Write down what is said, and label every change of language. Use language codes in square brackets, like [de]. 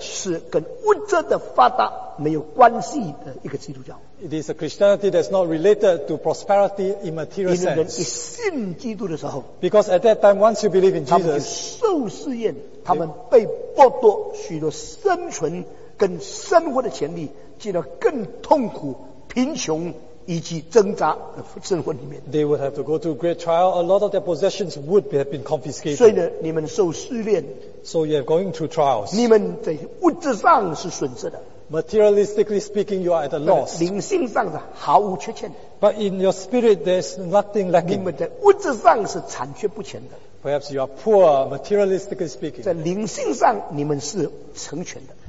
[zh] 是跟物质的发达, 没有关系的一个基督教。 [en] It is a Christianity that's not related to prosperity in material sense. [zh] 因为人一信基督的时候, [en] because at that time, once you believe in Jesus, [zh] 他们就受试验, 他们被剥夺许多生存跟生活的权利, 进入更痛苦贫穷, 以及挣扎的生活里面, [en] they would have to go through great trial. A lot of their possessions would have been confiscated. [zh] 所以呢, 你们受试炼, [en] so you are going through trials. [zh] 你们在物质上是损失的, [en] materialistically speaking, you are at a loss. [zh] 灵性上的毫无缺陷, [en] but in your spirit, there is nothing lacking. [zh] 你们在物质上是残缺不全的, [en] perhaps you are poor, materialistically speaking. [zh] 在灵性上你们是成全的,